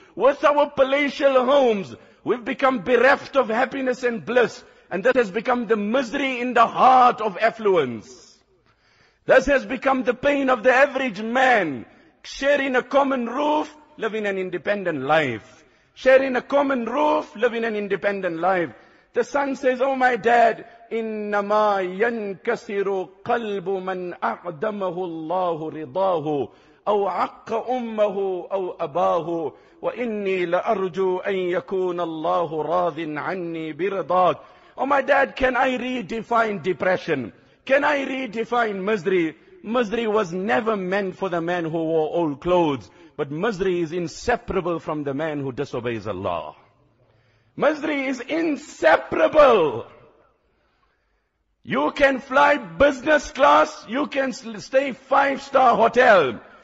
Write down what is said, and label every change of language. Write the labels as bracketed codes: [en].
[en] With our palatial homes, we've become bereft of happiness and bliss, and that has become the misery in the heart of affluence. This has become the pain of the average man, sharing a common roof, living an independent life. Sharing a common roof, living an independent life. The son says, oh my dad, [ar] إِنَّمَا يَنْكَسِرُ قَلْبُ مَنْ أَعْدَمَهُ اللَّهُ رِضَاهُ أَوْ عَقَّ أُمَّهُ أَوْ أَبَاهُ وَإِنِّي لَأَرْجُو أَنْ يَكُونَ اللَّهُ رَاضٍ عَنِّي بِرِضَاكُ. [en] Oh my dad, can I redefine depression? Can I redefine misery? Misery was never meant for the man who wore old clothes. But misery is inseparable from the man who disobeys Allah. Misery is inseparable. You can fly business class, you can stay 5-star hotel.